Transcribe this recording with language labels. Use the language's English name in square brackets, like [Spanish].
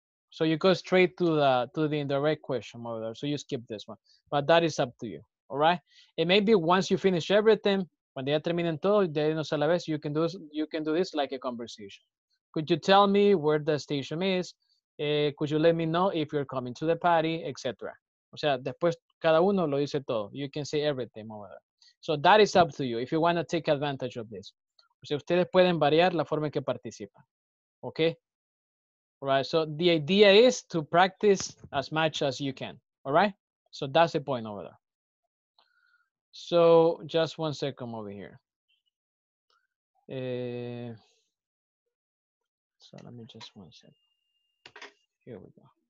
[English] So you go straight to the indirect question over there, so you skip this one. But that is up to you, all right? And maybe once you finish everything, [Spanish] cuando ya terminen todo, de ahí nos a la vez, [English] you can do this like a conversation. Could you tell me where the station is? Could you let me know if you're coming to the party, etc. [Spanish] O sea, después cada uno lo dice todo. [English] You can say everything over there. So that is up to you if you want to take advantage of this. [Spanish] O sea, ustedes pueden variar la forma en que participan. [English] Okay? All right, so the idea is to practice as much as you can. All right? So that's the point over there. So just one second over here. So let me just one second. Here we go.